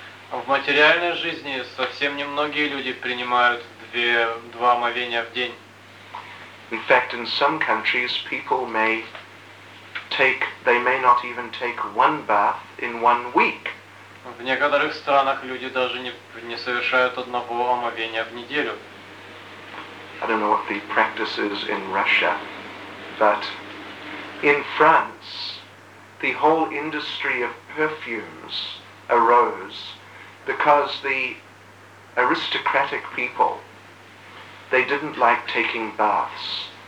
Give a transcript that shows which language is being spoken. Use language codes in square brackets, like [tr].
[ru] В материальной жизни совсем немногие люди принимают 2 омовения в день. [en] In fact, in some countries, people may take, they may not even take 1 bath in 1 week. [ru] В некоторых странах люди даже не совершают 1 омовения в неделю. [en] I don't know what the practice is in Russia, but in France, the whole industry of perfumes arose because the aristocratic people, they didn't like taking baths.